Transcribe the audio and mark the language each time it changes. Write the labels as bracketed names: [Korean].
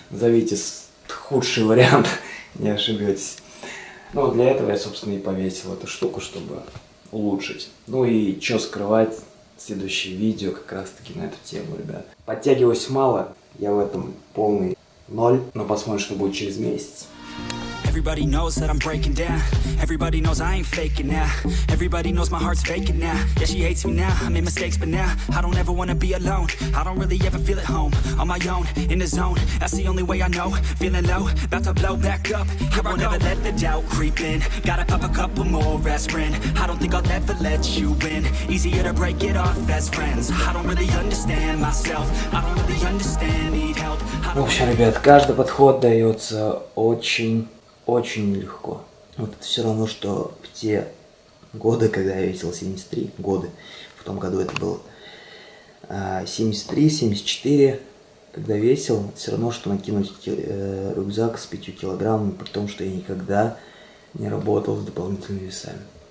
[Russian] Назовите худший вариант, не ошибетесь. Ну, для этого я, собственно, и повесил эту штуку, чтобы улучшить. Ну и что скрывать? Следующее видео как раз-таки на эту тему, ребят. Подтягиваюсь мало, я в этом полный ноль, но посмотрим, что будет через месяц. [English] Everybody knows that I'm breaking down. Everybody knows I ain't faking now. Everybody knows my heart's faking now. Yeah, she hates me now. I made mistakes, but now I don't ever wanna be alone. I don't really ever feel at home. On my own, in the zone. That's the only way I know. Feeling low, about to blow back up. Here I won't ever let the doubt creep in. Gotta pop a couple more aspirin. I don't think I'll ever let you win. Easier to break it off as friends. I don't really understand myself. I don't really understand, need help. [Russian] В общем, ребят, каждый подход дается очень легко. Вот это все равно, что в те годы, когда я весил 73 годы, в том году это было 73-74, когда весил, все равно, что накинуть рюкзак с 5 килограммами, при том, что я никогда не работал с дополнительными весами.